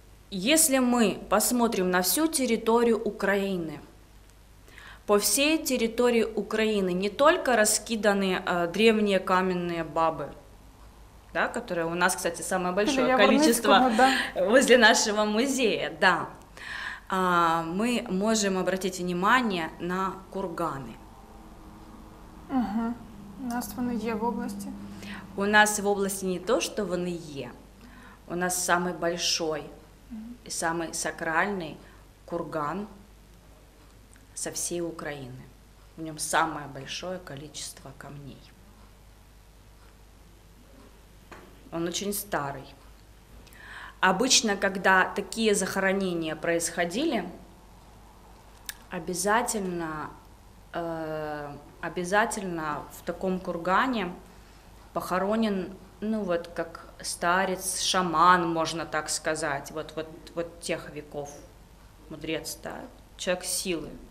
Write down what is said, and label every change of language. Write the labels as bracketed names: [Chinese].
[Russian] Если мы посмотрим на всю территорию Украины, по всей территории Украины не только раскиданы древние каменные бабы, да, которые у нас, кстати, самое большое количество возле нашего музея, да, мы можем обратить внимание на курганы. [Ukrainian] Угу. У нас вони є в області. У нас в області не то, що вони є. [Russian] У нас самый большой и самый сакральный курган со всей Украины. В нём самое большое количество камней. Он очень старый. Обычно, когда такие захоронения происходили, обязательно в таком кургане похоронен, ну вот как старец, шаман, можно так сказать, вот тех веков, мудрец, да, человек силы.